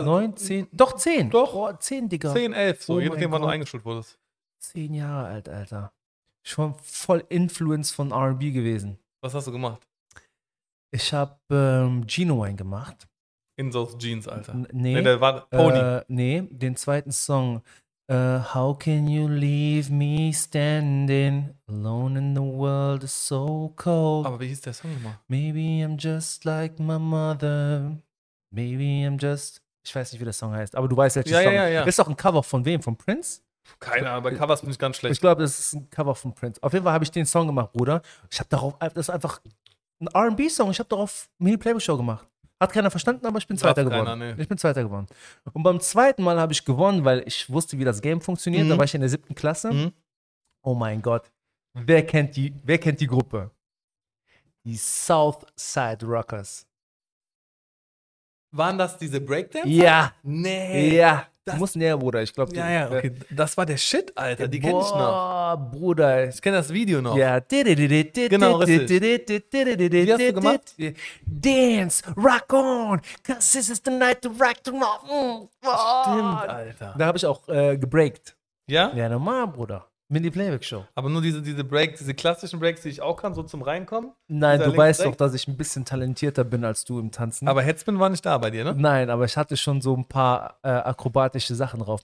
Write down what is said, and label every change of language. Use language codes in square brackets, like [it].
[de] 9, 10, doch 10. Doch, oh, 10, Digga. 10, 11, so, oh je nachdem, wann du eingeschult wurdest. 10 Jahre alt, Alter. Schon voll Influence von R&B gewesen. Was hast du gemacht? Ich hab Genuine gemacht. [en] In those Jeans, Alter. [de] Nee, der war Pony. Nee, den zweiten Song. [en] How can you leave me standing alone in the world is so cold. [de] Aber wie hieß der Song nochmal? [en] Maybe I'm just like my mother. Maybe I'm just... [de] Ich weiß nicht, wie der Song heißt, aber du weißt, welcher Song. Ja, ja, ja. Ist doch ein Cover von wem? Von Prince? Keine Ahnung, bei Covers bin ich ganz schlecht. Ich glaube, das ist ein Cover von Prince. Auf jeden Fall habe ich den Song gemacht, Bruder. Ich habe darauf... Das ist einfach ein R&B-Song. Ich habe darauf Mini Playboy Show gemacht. Hat keiner verstanden, aber ich bin Zweiter geworden. Nee. Ich bin Zweiter geworden. Und beim zweiten Mal habe ich gewonnen, weil ich wusste, wie das Game funktioniert. Da war ich in der 7. Klasse. Oh mein Gott. Wer kennt die Gruppe? Die Southside Rockers. Waren das diese Breakdance? Ja. Nee. Ja. Du musst näher, Bruder. Ich glaube, ja, ja, okay. Das war der Shit, Alter. Die kenne ich noch. Boah, Bruder. Ich kenne das Video noch. Ja. Genau, richtig. Wie hast du gemacht? [en] Dance, rock on, cause this is the night to rock the rock. [de] Stimmt, Alter. Da habe ich auch gebreakt. Ja? Ja, normal, Bruder. Mini-Playback-Show. Aber nur diese Breaks, diese klassischen Breaks, die ich auch kann, so zum Reinkommen? Nein, du weißt doch, dass ich ein bisschen talentierter bin als du im Tanzen. Aber Headspin war nicht da bei dir, ne? Nein, aber ich hatte schon so ein paar akrobatische Sachen drauf.